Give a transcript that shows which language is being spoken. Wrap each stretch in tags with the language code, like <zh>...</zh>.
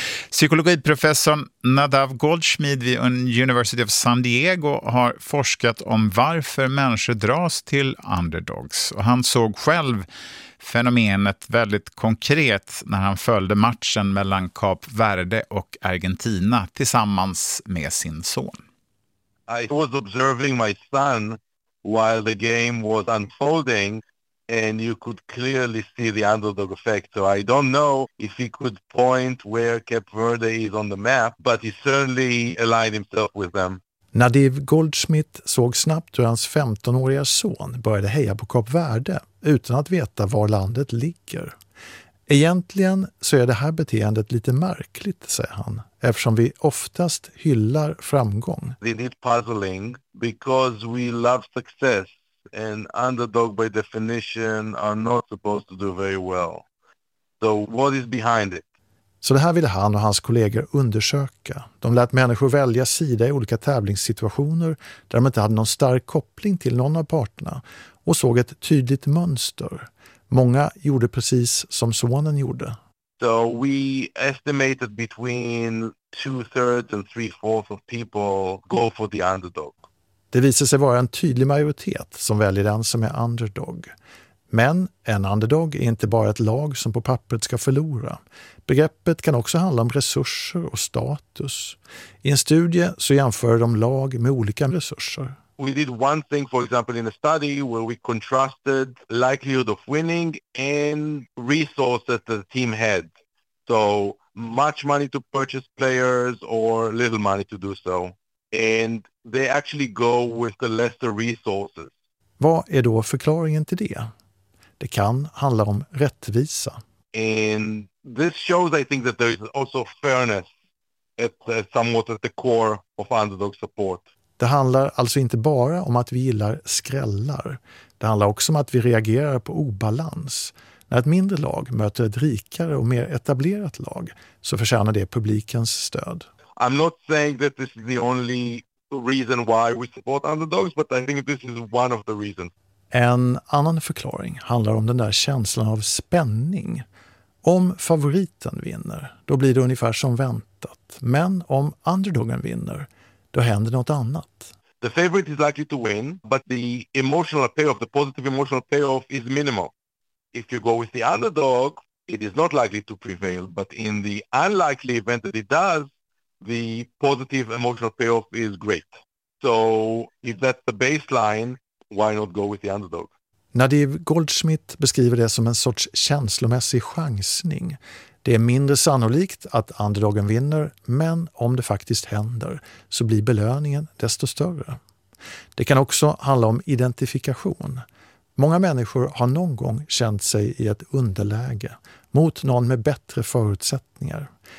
<sv>Psykologiprofessorn Nadav Goldschmidt vid University of San Diego har forskat om varför människor dras till underdogs. Och han såg själv fenomenet väldigt konkret när han följde matchen mellan Kap Verde och Argentina tillsammans med sin son.</sv> <en>I was observing my son while the game was unfolding. And you could clearly see the underdog effect. So I don't know if he could point where Cape Verde is on the map, but he certainly aligned himself with them.</en> <sv>Nadiv Goldschmidt såg snabbt hur hans 15-åriga son började heja på Kap Verde utan att veta var landet ligger. Egentligen så är det här beteendet lite märkligt, säger han, eftersom vi oftast hyllar framgång.</sv> <en>It is puzzling because we love success. And underdog by definition are not supposed to do very well. So what is behind it?</en> <sv>Så det här ville han och hans kollegor undersöka. De lät människor välja sida i olika tävlingssituationer där de inte hade någon stark koppling till någon av parterna och såg ett tydligt mönster. Många gjorde precis som sonen gjorde.</sv> <en>So we estimated between 2/3 and 3/4 of people go for the underdog.</en> <sv>Det visar sig vara en tydlig majoritet som väljer den som är underdog. Men en underdog är inte bara ett lag som på pappret ska förlora. Begreppet kan också handla om resurser och status. I en studie så jämför de lag med olika resurser.</sv> <en>We did one thing for example in a study where we contrasted likelihood of winning and resources that the team had. So much money to purchase players or little money to do so. And they actually go with the lesser resources.</en> <sv>Vad är då förklaringen till det? Det kan handla om rättvisa.</sv> <en>And this shows I think that there is also fairness at somewhat at the core of underdog support.</en> <sv>Det handlar alltså inte bara om att vi gillar skrällar. Det handlar också om att vi reagerar på obalans. När ett mindre lag möter ett rikare och mer etablerat lag så förtjänar det publikens stöd.</sv> <en>I'm not saying that this is the only reason why we support underdogs, but I think this is one of the reasons.</en> <sv>En annan förklaring handlar om den där känslan av spänning. Om favoriten vinner, då blir det ungefär som väntat. Men om underdogen vinner, då händer något annat.</sv> <en>The favorite is likely to win, but the emotional payoff, the positive emotional payoff is minimal. If you go with the underdog, it is not likely to prevail, but in the unlikely event that it does, the positive emotional payoff is great. So if that's the baseline, why not go with the underdog?</en> <sv>Nadiv Goldschmidt beskriver det som en sorts känslomässig chansning. Det är mindre sannolikt att underdogen vinner, men om det faktiskt händer så blir belöningen desto större. Det kan också handla om identifikation. Många människor har någon gång känt sig i ett underläge mot någon med bättre förutsättningar.</sv>